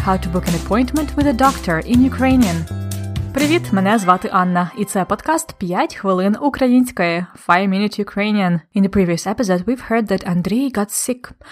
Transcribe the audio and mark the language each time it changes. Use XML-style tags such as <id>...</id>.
<en>How to book an appointment with a doctor in Ukrainian.</en> <uk>Привіт, мене звати Анна, і це подкаст 5 хвилин української.</uk> <en>5-Minute Ukrainian. In the previous episode, we've heard that Андрій got sick.</en>